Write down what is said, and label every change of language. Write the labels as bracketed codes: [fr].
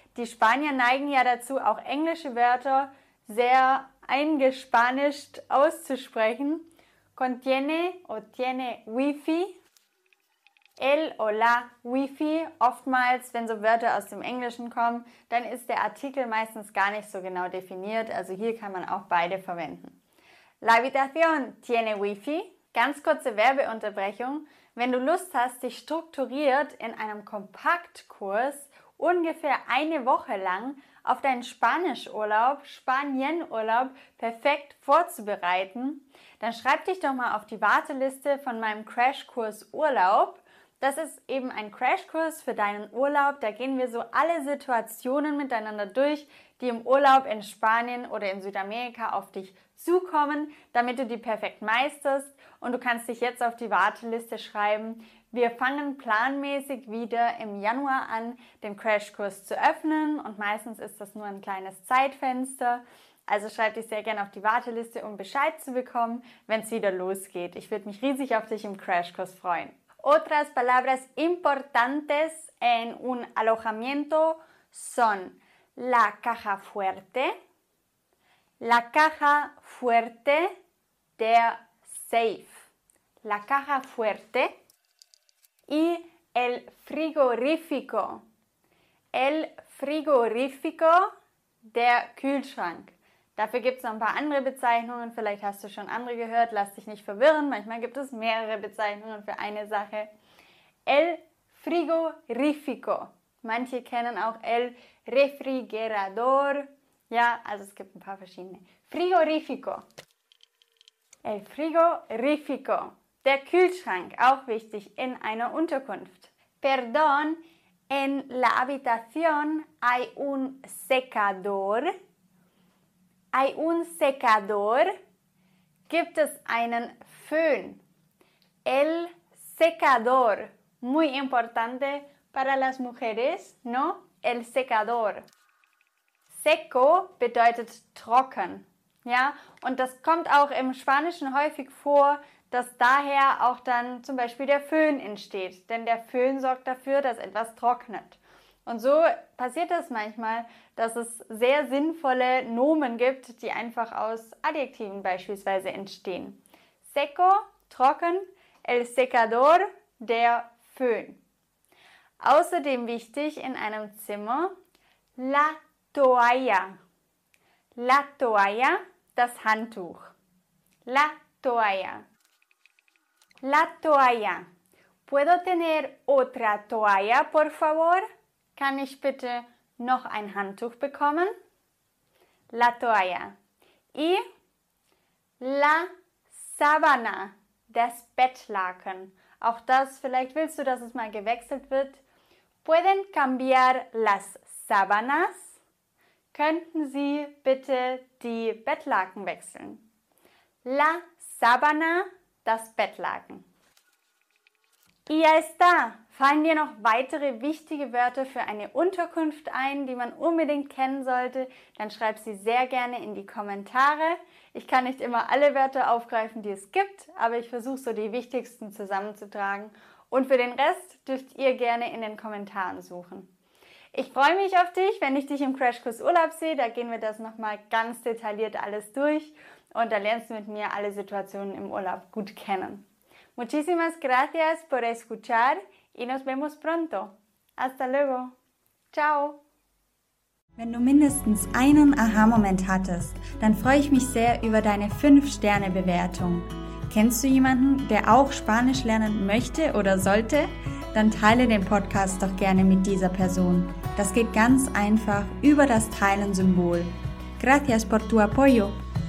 [de] Die Spanier neigen ja dazu, auch englische Wörter sehr eingespanischt auszusprechen. [es] Contiene o tiene Wi-Fi? El o la Wi-Fi. [de] Oftmals, wenn so Wörter aus dem Englischen kommen, dann ist der Artikel meistens gar nicht so genau definiert. Also hier kann man auch beide verwenden. [es] La habitación tiene Wi-Fi. [de] Ganz kurze Werbeunterbrechung. Wenn du Lust hast, dich strukturiert in einem Kompaktkurs ungefähr eine Woche lang auf deinen Spanischurlaub, Spanienurlaub, perfekt vorzubereiten, dann schreib dich doch mal auf die Warteliste von meinem Crashkurs Urlaub. Das ist eben ein Crashkurs für deinen Urlaub. Da gehen wir so alle Situationen miteinander durch, die im Urlaub in Spanien oder in Südamerika auf dich zukommen, damit du die perfekt meisterst. Und du kannst dich jetzt auf die Warteliste schreiben. Wir fangen planmäßig wieder im Januar an, den Crashkurs zu öffnen. Und meistens ist das nur ein kleines Zeitfenster. Also schreib dich sehr gerne auf die Warteliste, um Bescheid zu bekommen, wenn es wieder losgeht. Ich würde mich riesig auf dich im Crashkurs freuen. [es] Otras palabras importantes en un alojamiento son la caja fuerte, la caja fuerte, [de] der safe, [es] la caja fuerte, y el frigorífico, el frigorífico, [de] der Kühlschrank. Dafür gibt es noch ein paar andere Bezeichnungen, vielleicht hast du schon andere gehört, lass dich nicht verwirren, manchmal gibt es mehrere Bezeichnungen für eine Sache. El frigorífico, manche kennen auch el refrigerador, ja, also es gibt ein paar verschiedene. Frigorífico. El frigorífico. Der Kühlschrank, auch wichtig in einer Unterkunft. [es] Perdón, en la habitación hay un secador. Hay un secador. [de] Gibt es einen Föhn? [es] El secador. Muy importante para las mujeres, ¿no? El secador. [de] Seco bedeutet trocken, ja, und das kommt auch im Spanischen häufig vor, dass daher auch dann zum Beispiel der Föhn entsteht, denn der Föhn sorgt dafür, dass etwas trocknet. Und so passiert es manchmal, dass es sehr sinnvolle Nomen gibt, die einfach aus Adjektiven beispielsweise entstehen. [es] Seco, trocken, el secador, der Föhn. [de] Außerdem wichtig in einem Zimmer, la toalla. [es] La toalla, das Handtuch. La toalla. La toalla. ¿Puedo tener otra toalla, por favor? [de] Kann ich bitte noch ein Handtuch bekommen? La toalla. [es] Y la sábana, das Bettlaken. [de] Auch das, vielleicht willst du, dass es mal gewechselt wird. [es] ¿Pueden cambiar las sábanas? [de] Könnten Sie bitte die Bettlaken wechseln? [es] La sábana, das Bettlaken. Y ya está. [de] Fallen dir noch weitere wichtige Wörter für eine Unterkunft ein, die man unbedingt kennen sollte, dann schreib sie sehr gerne in die Kommentare. Ich kann nicht immer alle Wörter aufgreifen, die es gibt, aber ich versuche so die wichtigsten zusammenzutragen. Und für den Rest dürft ihr gerne in den Kommentaren suchen. Ich freue mich auf dich, wenn ich dich im Crashkurs Urlaub sehe. Da gehen wir das nochmal ganz detailliert alles durch. Und da lernst du mit mir alle Situationen im Urlaub gut kennen. [es] Muchísimas gracias por escuchar y nos vemos pronto. Hasta luego. Chao. [de] Wenn du mindestens einen Aha-Moment hattest, dann freue ich mich sehr über deine 5-Sterne-Bewertung. Kennst du jemanden, der auch Spanisch lernen möchte oder sollte? Dann teile den Podcast doch gerne mit dieser Person. Das geht ganz einfach über das Teilen-Symbol. [es] Gracias por tu apoyo.